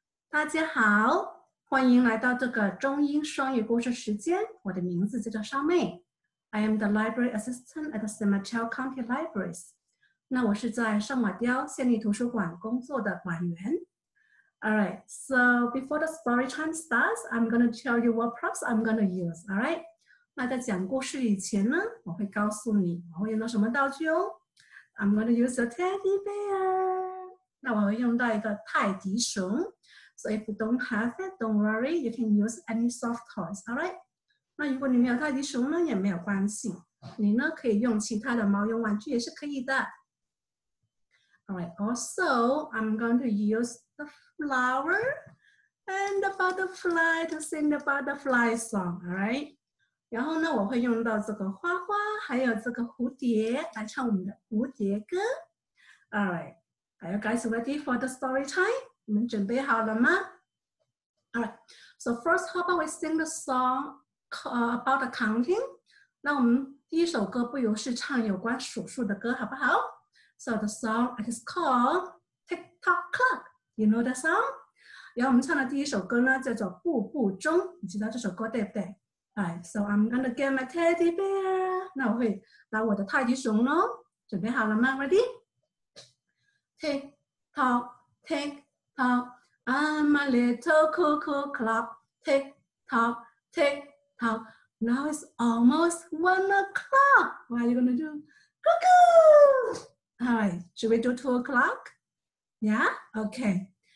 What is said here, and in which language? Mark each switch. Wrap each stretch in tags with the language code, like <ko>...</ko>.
<zh>大家好，欢迎来到这个中英双语故事时间。我的名字叫沙妹。</zh> <en>I am the library assistant at the San Mateo County Libraries.</en> <zh>那我是在圣马雕县立图书馆工作的馆员。</zh> <en>All right, so before the story time starts, I'm going to tell you what props I'm going to use, all right?</en> <zh>那在讲故事以前呢，我会告诉你我会用到什么道具哦。</zh> <en>I'm going to use a teddy bear.</en> <zh>那我会用到一个泰迪熊。</zh> <en>So if you don't have it, don't worry, you can use any soft toys, all right?</en> <zh>那如果你没有泰迪熊呢，也没有关系。你呢，可以用其他的毛绒玩具也是可以的。</zh> <en>All right, also, I'm going to use the flower and the butterfly to sing the butterfly song, all right?</en> <zh>然后呢，我会用到这个花花，还有这个蝴蝶来唱我们的蝴蝶歌。</zh> <en>All right, are you guys ready for the story time?</en> <zh>你们准备好了吗？</zh> <en>All right, so first, how about we sing the song about accounting?</en> <zh>那我们第一首歌不如是唱有关数数的歌，好不好？</zh> <en>So the song is called Tick-Tock Clock. You know the song?</en> <zh>然后我们唱的第一首歌呢叫做步步钟，你知道这首歌对不对？</zh> <en>Alright, so I'm gonna get my teddy bear.</en> <zh>那我会拿我的泰迪熊咯。准备好了吗？</zh> <en>Ready? Tick-Tock, Tick-Tock, I'm a little cuckoo clock. Tick-Tock, Tick-Tock, now it's almost 1 o'clock. What are you gonna do? Cuckoo! Alright, should we do 2 o'clock? Yeah? Okay.</en>